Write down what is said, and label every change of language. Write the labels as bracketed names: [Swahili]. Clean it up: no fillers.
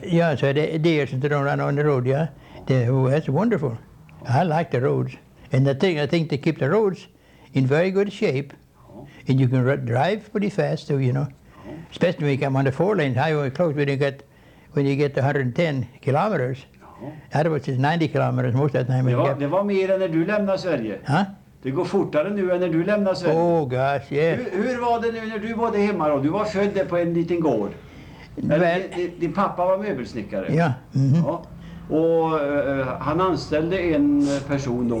[Swedish] Ja, så det är deer som de [English] run on the road, [Swedish] ja. [English] That's wonderful. I like the roads. And I think they keep the roads in very good shape. And you can drive pretty fast too, you know. Uh-huh. Especially when you come on the four lanes, highway close when you get to 110 kilometers. Uh-huh. Otherwise it's 90 kilometers most of the time. [Swedish] Det var mer än när du lämnade Sverige. Ja. Huh? Det går fortare nu än när du lämnade Sverige. [English] Oh gosh, yeah. [Swedish] Hur var det nu när du bodde hemma då? Du var född på en liten gård. [English] Well, [Swedish] din pappa var möbelsnickare. Ja. Mm-hmm. Ja. Och han anställde en person då.